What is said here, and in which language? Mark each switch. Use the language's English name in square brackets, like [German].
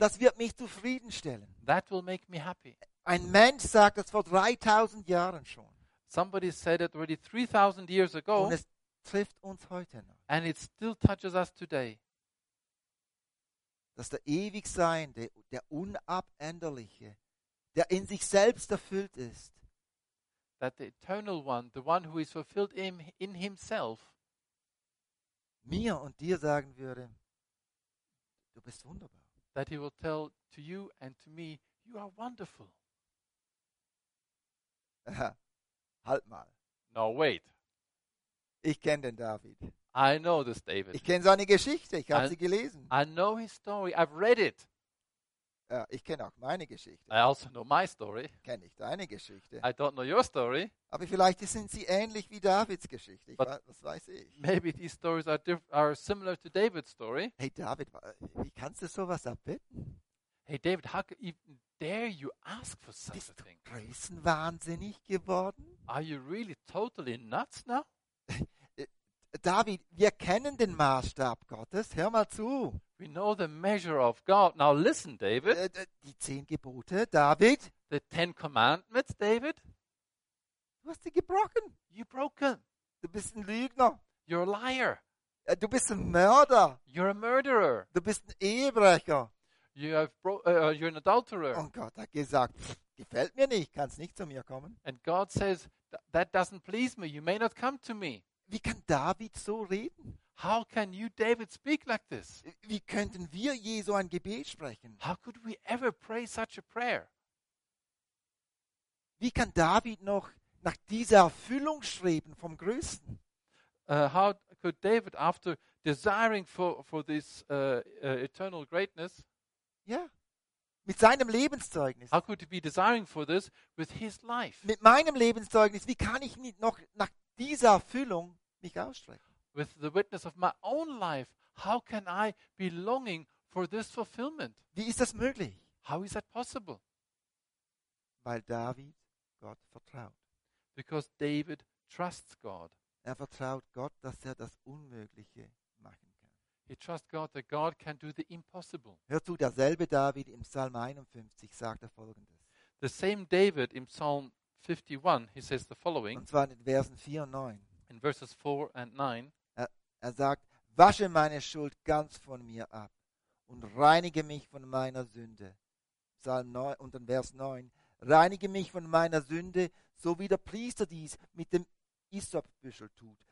[German] Das wird mich zufriedenstellen. [English] That will make me happy. [German] Ein Mensch sagt das vor 3000 Jahren schon. [English] Somebody said it already 3000 years ago. [German] Und es trifft uns heute noch. [English] And it still touches us today. [German] Dass der ewig Seiende, der Unabänderliche, der in sich selbst erfüllt ist. [English] That the eternal one, the one who is fulfilled in himself, [German] mir und dir sagen würde, du bist wunderbar. [English] That he will tell to you and to me, you are wonderful. [German] Halt mal. [English] No, wait. [German] Ich kenne den David. [English] I know this David. [German] Ich kenne seine Geschichte, ich habe sie gelesen. [English] I know his story, I've read it. [German] Ich kenne auch meine Geschichte. [English] I also know my story. [German] Kenne ich deine Geschichte. [English] I don't know your story. [German] Aber vielleicht sind sie ähnlich wie Davids Geschichte. Was weiß ich. [English] Maybe these stories are similar to David's story. [German] Hey David, wie kannst du sowas erbitten? [English] Hey David, how even dare you ask for such [German] Bist [English] a thing? [German] Bist du größenwahnsinnig geworden? [English] Are you really totally nuts now? [German] David, wir kennen den Maßstab Gottes. Hör mal zu. [English] We know the measure of God. Now listen, David. [German] Die 10 Gebote, David. [English] The 10 commandments, David. [German] Du hast sie gebrochen. [English] You're broken. [German] Du bist ein Lügner. [English] You're a liar. [German] Du bist ein Mörder. [English] You're a murderer. [German] Du bist ein Ehebrecher. [English] You're an adulterer. [German] Und Gott hat gesagt, gefällt mir nicht, kannst nicht zu mir kommen. [English] And God says, that doesn't please me, you may not come to me. [German] Wie kann David so reden? [English] How can you, David, speak like this? [German] Wie könnten wir je so ein Gebet sprechen? [English] How could we ever pray such a prayer? [German] Wie kann David noch nach dieser Erfüllung streben vom Größten? [English] How could David, after desiring for this eternal greatness, [German] yeah, mit seinem Lebenszeugnis, [English] how could he be desiring for this with his life? [German] Mit meinem Lebenszeugnis, wie kann ich nicht noch nach dieser Erfüllung mich ausstrecken. [English] With the witness of my own life, how can I be longing for this fulfillment? [German] Wie ist das möglich? [English] How is that possible? [German] Weil David Gott vertraut. [English] Because David trusts God. [German] Er vertraut Gott, dass er das Unmögliche machen kann. [English] He trusts God that God can do the impossible. [German] Hör zu, derselbe David im Psalm 51 sagt er Folgendes. [English] The same David in Psalm 51, he says the following. [German] Und zwar in Versen 4 und 9. [English] In verses 4 and 9. [German] Er sagt, wasche meine Schuld ganz von mir ab und reinige mich von meiner Sünde. Psalm 9 und in Vers 9. Reinige mich von meiner Sünde, so wie der Priester dies mit dem Hyssopbüschel tut.